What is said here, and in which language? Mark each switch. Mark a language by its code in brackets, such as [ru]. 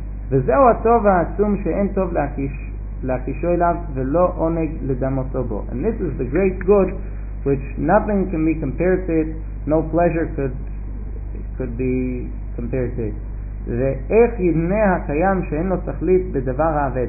[he] וזהו הטוב העצום שאין טוב להקישו אליו ולא עונג לדמותו בו. [en] And this is the great good which nothing can be compared to it, no pleasure could be compared to it. [he] ואיך ידמה הקיים שאין לו תכלית בדבר העבד?